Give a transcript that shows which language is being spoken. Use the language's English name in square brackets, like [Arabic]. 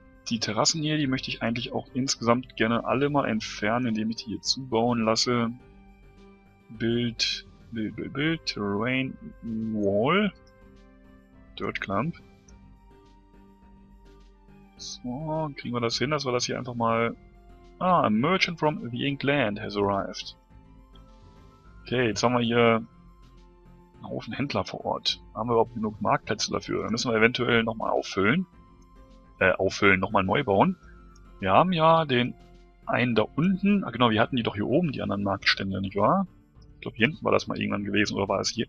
[German] Die Terrassen hier, die möchte ich eigentlich auch insgesamt gerne alle mal entfernen, indem ich die hier zubauen lasse. [English] Build, Terrain, Wall, Dirt Clump. [German] So, kriegen wir das hin, dass wir das hier einfach mal... [English] Ah, a merchant from the Inkland has arrived. [German] Okay, jetzt haben wir hier einen Haufen Händler vor Ort. Haben wir überhaupt genug Marktplätze dafür? Dann müssen wir eventuell nochmal auffüllen. Auffüllen, nochmal neu bauen. Wir haben ja den einen da unten. Ah genau, wir hatten die doch hier oben, die anderen Marktstände, nicht wahr? Ich glaube, hier hinten war das mal irgendwann gewesen, oder war es hier?